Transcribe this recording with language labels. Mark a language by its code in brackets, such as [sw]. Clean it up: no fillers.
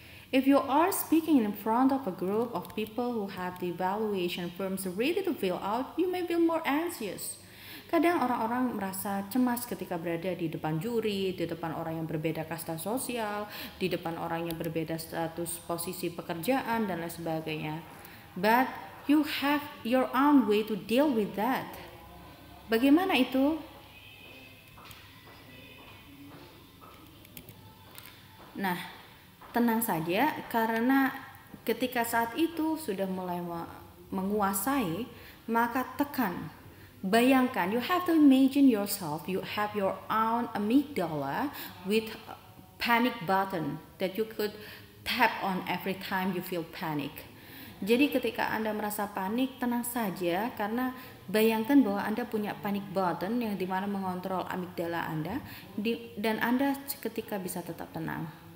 [en] If you are speaking in front of a group of people who have the evaluation forms ready to fill out, you may feel more anxious. [id] Kadang orang-orang merasa cemas ketika berada di depan juri, di depan orang yang berbeda kasta sosial, di depan orang yang berbeda status posisi pekerjaan, dan lain sebagainya. [en] But you have your own way to deal with that. [id] Bagaimana itu? Nah, tenang saja, karena ketika saat itu sudah mulai menguasai, maka tekan. Bayangkan, [en] you have to imagine yourself, you have your own amygdala with panic button that you could tap on every time you feel panic. [id] Jadi ketika Anda merasa panik, tenang saja, karena bayangkan bahwa Anda punya panic button yang dimana mengontrol amygdala Anda, dan Anda ketika bisa tetap tenang.